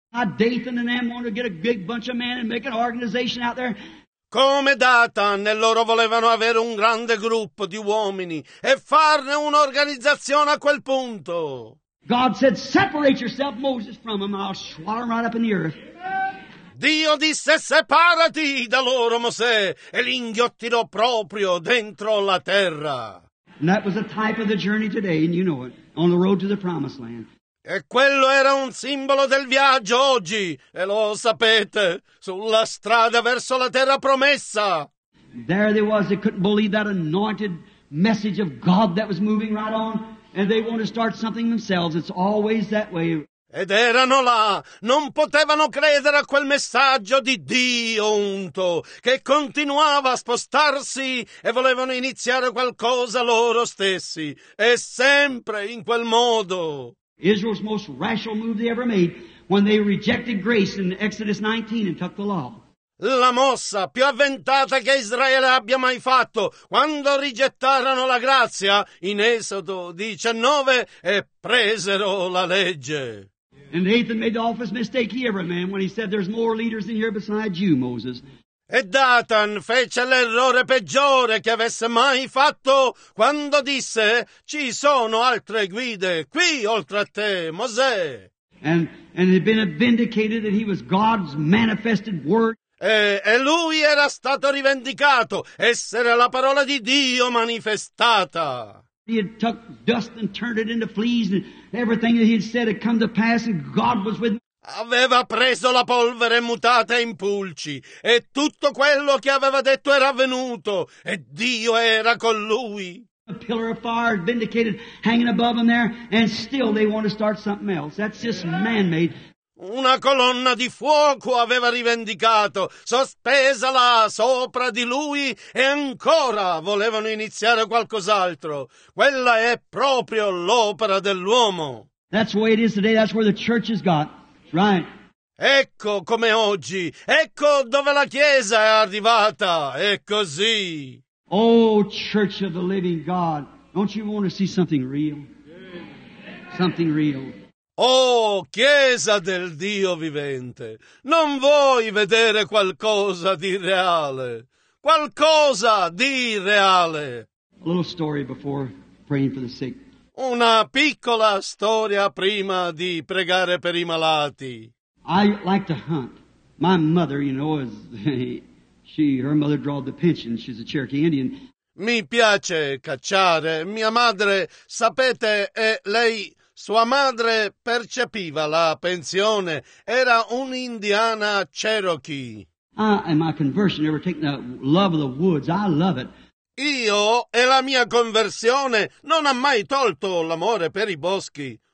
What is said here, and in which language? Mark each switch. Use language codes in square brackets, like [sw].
[en] Dathan and them wanted to get a big bunch of men and make an organization out there. [it] Come Dathan e loro volevano avere un grande gruppo di uomini e farne un'organizzazione a quel punto. [en] God said, "Separate yourself, Moses, from them. I'll swallow them right up in the earth." [it] Dio disse, separati da loro, Mosè, e li inghiottirò proprio dentro la terra. [en] And that was a type of the journey today, and you know it, on the road to the promised land. [it] E quello era un simbolo del viaggio oggi, e lo sapete, sulla strada verso la terra promessa. [en] There they was, they couldn't believe that anointed message of God that was moving right on, and they want to start something themselves, it's always that way. [it] Ed erano là, non potevano credere a quel messaggio di Dio unto, che continuava a spostarsi e volevano iniziare qualcosa loro stessi, e sempre in quel modo. [en] Israel's most rational move they ever made when they rejected grace in Exodus 19 and took the law. [it] La mossa più avventata che Israele abbia mai fatto quando rigettarono la grazia in Esodo 19 e presero la legge. [en] And Dathan made the awfulest mistake he ever made when he said there's more leaders in here besides you, Moses. [it] E Dathan fece l'errore peggiore che avesse mai fatto quando disse ci sono altre guide qui oltre a te, Mosè. [en] And it had been vindicated that he was God's manifested word. [it] E lui era stato rivendicato, essere la parola di Dio manifestata. [en] He had took dust and turned it into fleas, and everything that he had said had come to pass, and God was with me. [it] Aveva preso la polvere mutata in pulci, e tutto quello che aveva detto era avvenuto, e Dio era con lui. [en] A pillar of fire vindicated, hanging above him there, and still they want to start something else. That's just man-made. [it] Una colonna di fuoco aveva rivendicato, sospesa là sopra di lui, e ancora volevano iniziare qualcos'altro. Quella è proprio l'opera dell'uomo. [en] That's the way it is today, that's where the church has got. Right. [it] Ecco come oggi, ecco dove la Chiesa è arrivata, è così. [en] Oh, Church of the Living God, don't you want to see something real? Something real. [it] Oh, Chiesa del Dio vivente, non vuoi vedere qualcosa di reale? Qualcosa di reale? [en] A little story before praying for the sick. [it] Una piccola storia prima di pregare per i malati. [en] I like to hunt. My mother, you know, is her mother drawed the pension. She's a Cherokee Indian. [it] Mi piace cacciare. Mia madre, sapete, e lei, sua madre percepiva la pensione. Era un'indiana Cherokee. [en] Ah, and my conversion ever taken the love of the woods. I love it. [it] Io e la mia conversione non ha mai tolto l'amore per i boschi.